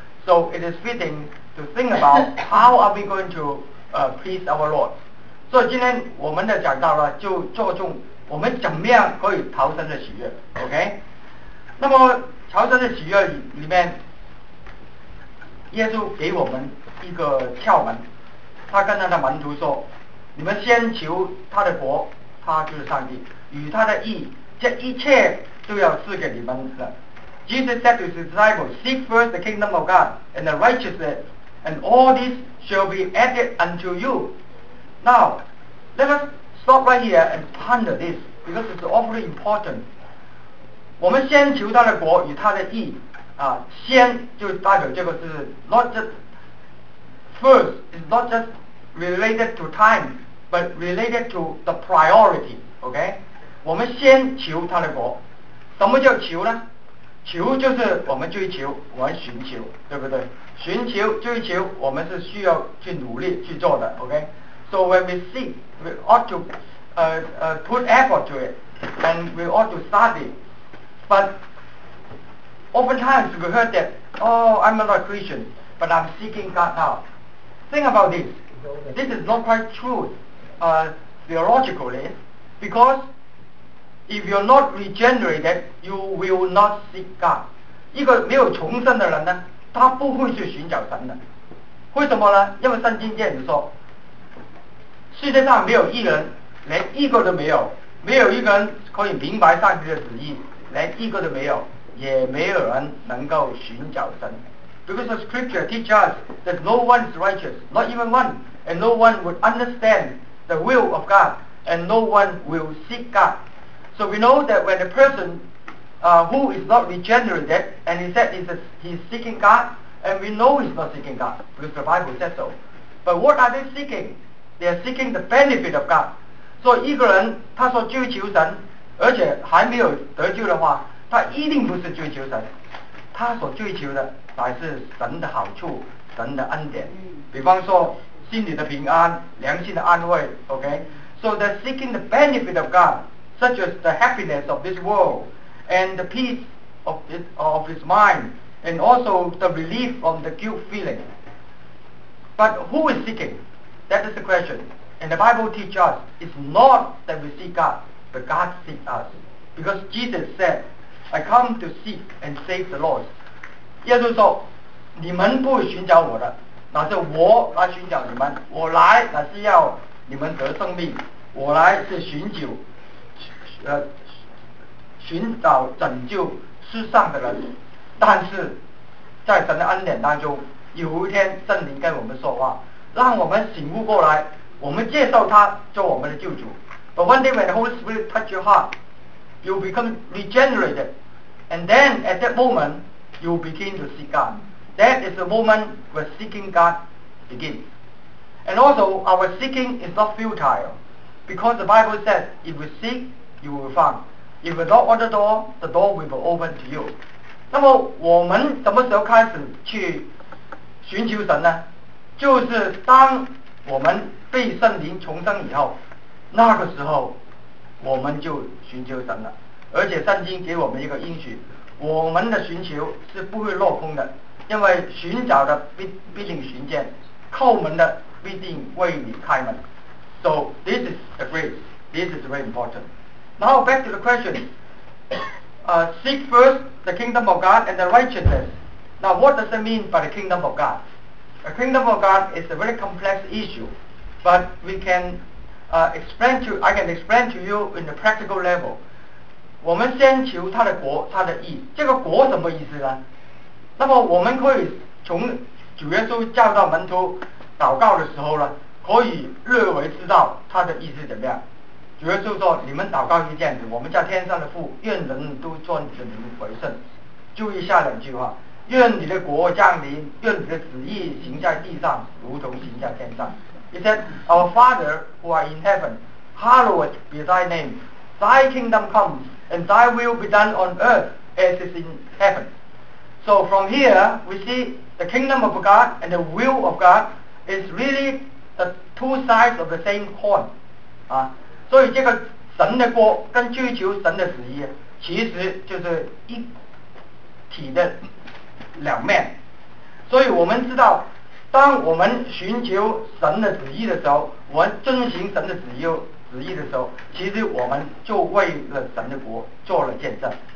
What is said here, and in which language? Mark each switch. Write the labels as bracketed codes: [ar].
[en] So it is fitting to think about how are we going to please our Lord. So [zh] 今天我们的讲到了，就着重我们怎么样可以讨神的喜悦 ，OK? 那么朝圣的喜悦里面，耶稣给我们一个窍门，他跟他的门徒说，你们先求他的国，他就是上帝，与他的义，这一切都要赐给你们了。 [en] Jesus said to his disciples, seek first the kingdom of God and the righteousness, and all this shall be added unto you. Now, let us stop right here and ponder this, because it's awfully important. [zh] 我们先求他的国与他的义，先就代表这个是 [en] not just first, it's not just related to time, but related to the priority, okay? [zh] 我们先求他的国，什么叫求呢？求就是我们追求，我们寻求，对不对？寻求、追求，我们是需要去努力去做的 ，OK? [en] So when we seek, we ought to put effort to it, and we ought to study. But oftentimes we heard that, oh, I'm not a Christian, but I'm seeking God now. Think about this. This is not quite true, theologically, because if you're not regenerated, you will not seek God. [zh] 一个没有重生的人呢，他不会去寻找神的。为什么呢？因为圣经这样说，世界上没有一人，连一个都没有，没有一个人可以明白上帝的旨意，连一个都没有，也没有人能够寻找神。 [en] Because the scripture teaches us that no one is righteous, not even one, and no one would understand the will of God, and no one will seek God. So we know that when a person who is not regenerated, and he said he's seeking God, and we know he's not seeking God, because the Bible says so. But what are they seeking? They are seeking the benefit of God. So [zh] 一个人他说追求神，而且还没有得救的话，他一定不是追求神，他所追求的乃是神的好处，神的恩典，比方说心里的平安，良心的安慰， OK? [en] So they're seeking the benefit of God, such as the happiness of this world, and the peace of his mind, and also the relief from the guilt feeling. But who is seeking? That is the question. And the Bible teaches us, it's not that we seek God, but God seeks us. Because Jesus said, I come to seek and save the lost. [zh] 耶稣说，你们不寻找我的，那是我来寻找你们，我来那是要你们得生命，我来是寻找拯救世上的人。但是在神的恩典当中，有一天圣灵跟我们说话，让我们醒悟过来，我们接受他做我们的救主。 [en] But one day when the Holy Spirit touch your heart, you become regenerated, and then at that momentYou begin to seek God. That is the moment where seeking God begins. And also, our seeking is not futile, because the Bible says, if you seek, you will find. If you knock on the door will be open to you. [zh] 那么我们什么时候开始去寻求神呢？就是当我们被圣灵重生以后，那个时候我们就寻求神了。而且圣经给我们一个应许，我们的寻求是不会落空的，因为寻找的必定寻见，叩门的必定为你开门。 [en] So this is the grace, this is very important. Now back to the question, seek first the kingdom of God and the righteousness. Now what does it mean by the kingdom of God? The kingdom of God is a very complex issue, but we can explain to you in the practical level. [zh] 我们先求他的国，他的义，这个国什么意思呢？那么我们可以从主耶稣叫到门徒祷告的时候呢，可以略微知道他的意思怎么样。主耶稣说，你们祷告是这样子，我们叫天上的父，愿人都做你的名为圣。注意下两句话，愿你的国降临，愿你的旨意行在地上，如同行在天上。 [en] He said, Our Father who are in heaven, hallowed be thy name, thy kingdom comesAnd thy will be done on earth as it is in heaven. So from here, we see the kingdom of God and the will of God is really the two sides of the same coin. [zh] 所以这个神的国跟追求神的旨意其实就是一体的两面。所以我们知道，当我们寻求神的旨意的时候，我们遵循神的旨意的时候，其实我们就为了神的国做了见证。